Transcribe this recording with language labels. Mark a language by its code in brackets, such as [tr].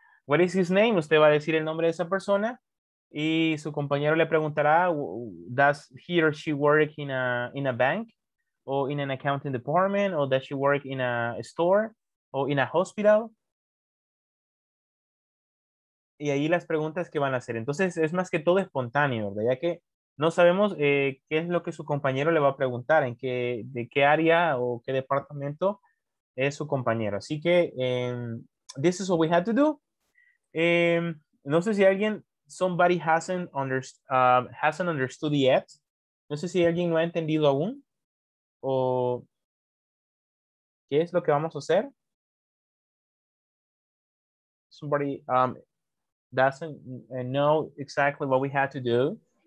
[en] What is his name? [es] Usted va a decir el nombre de esa persona y su compañero le preguntará, [en] does he or she work in a bank or in an accounting department or does she work in a store or in a hospital? [es] Y ahí las preguntas que van a hacer. Entonces, es más que todo espontáneo, ¿verdad? Ya que no sabemos qué es lo que su compañero le va a preguntar, en qué, de qué área o qué departamento es su compañero. [en] Así que, this is what we have to do. [es] No sé si alguien, [en] somebody hasn't understood yet. [es] No sé si alguien no ha entendido aún. O, ¿qué es lo que vamos a hacer? [en] Somebody... doesn't know exactly what we had to do.